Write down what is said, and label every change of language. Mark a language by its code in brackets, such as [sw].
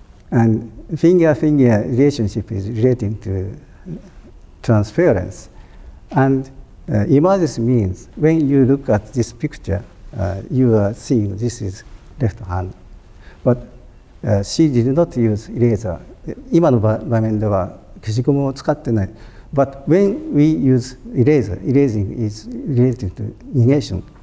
[en] And finger-finger relationship is relating to transference. And emergence means when you look at this picture, you are seeing this is left hand. But she did not use eraser. [ja] 今の場面では消しゴムを使ってない。 [en] But when we use eraser, erasing is related to negation.